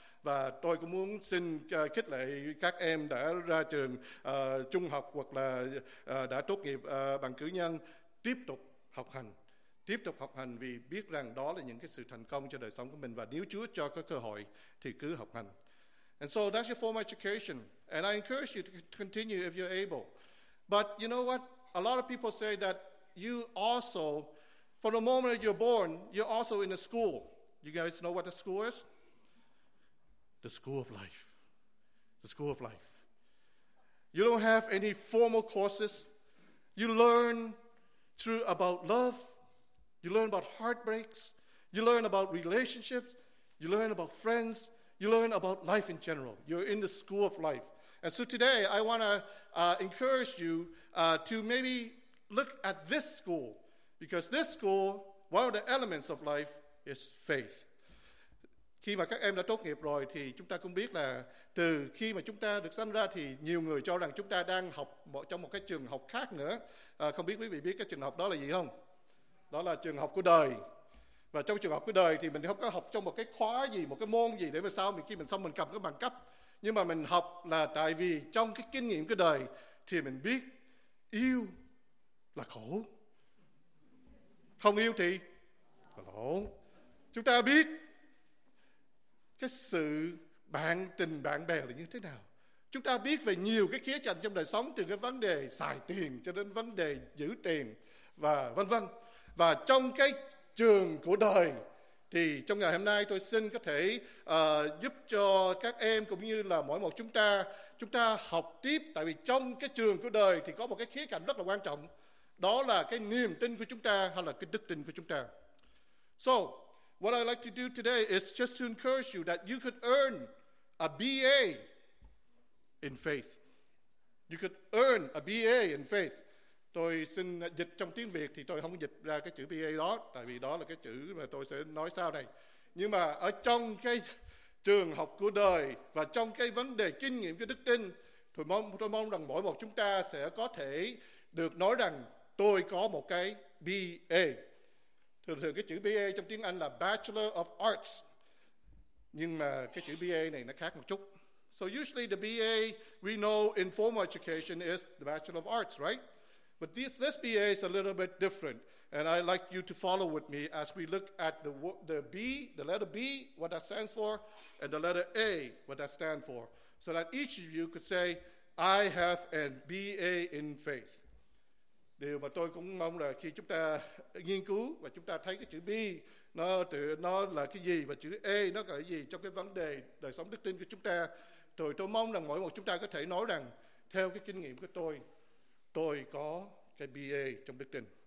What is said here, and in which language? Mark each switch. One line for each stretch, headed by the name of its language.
Vietnamese: Và tôi cũng muốn xin khích lệ các em đã ra trường trung học hoặc là đã tốt nghiệp bằng cử nhân tiếp tục học hành. Tiếp tục học hành vì biết rằng đó là những cái sự thành công cho đời sống của mình và nếu Chúa cho có cơ hội thì cứ học hành.
English: And so that's your formal education. And I encourage you to continue if you're able. But you know what? A lot of people say that you also, from the moment that you're born, you're also in a school. You guys know what the school is? The school of life. The school of life. You don't have any formal courses. You learn through about love. You learn about heartbreaks. You learn about relationships. You learn about friends. You learn about life in general. You're in the school of life. And so today, I want to encourage you to maybe look at this school, because this school, one of the elements of life is faith.
Vietnamese: Khi mà các em đã tốt nghiệp rồi thì chúng ta cũng biết là từ khi mà chúng ta được sinh ra thì nhiều người cho rằng chúng ta đang học trong một cái trường học khác nữa. Không biết quý vị biết cái trường học đó là gì không? Đó là trường học của đời. Và trong trường học của đời thì mình không có học trong một cái khóa gì, một cái môn gì để mà sau mình khi mình xong mình cầm cái bằng cấp. Nhưng mà mình học là tại vì trong cái kinh nghiệm của đời thì mình biết yêu là khổ. Không yêu thì là lỗ. Chúng ta biết cái sự bạn tình bạn bè là như thế nào. Chúng ta biết về nhiều cái khía cạnh trong đời sống, từ cái vấn đề xài tiền cho đến vấn đề giữ tiền và vân vân. Và trong cái trường của đời thì trong ngày hôm nay tôi xin có thể giúp cho các em cũng như là mỗi một chúng ta học tiếp. Tại vì trong cái trường của đời thì có một cái khía cạnh rất là quan trọng, đó là cái niềm tin của chúng ta hay là cái đức tin của chúng ta.
English: So what I'd like to do today is just to encourage you that you could earn a BA in faith. You could earn a BA in faith.
Vietnamese: Tôi xin dịch trong tiếng Việt thì tôi không dịch ra cái chữ BA đó, tại vì đó là cái chữ mà tôi sẽ nói sau này. Nhưng mà ở trong cái trường học của đời và trong cái vấn đề kinh nghiệm của đức tin, tôi mong rằng mỗi một chúng ta sẽ có thể được nói rằng tôi có một cái BA. Thường thường cái chữ BA trong tiếng Anh là
English: Bachelor of Arts.
Vietnamese: Nhưng mà cái chữ BA này nó khác một chút.
English: So usually the BA we know in formal education is the Bachelor of Arts, right? But this BA is a little bit different. And I'd like you to follow with me as we look at the B, the letter B, what that stands for, and the letter A, what that stands for, so that each of you could say, I have an BA in faith.
Vietnamese: Điều mà tôi cũng mong là khi chúng ta nghiên cứu và chúng ta thấy cái chữ B nó là cái gì và chữ A nó là cái gì trong cái vấn đề đời sống đức tin của chúng ta, rồi tôi mong rằng mỗi một chúng ta có thể nói rằng theo cái kinh nghiệm của tôi có cái BA trong đức tin.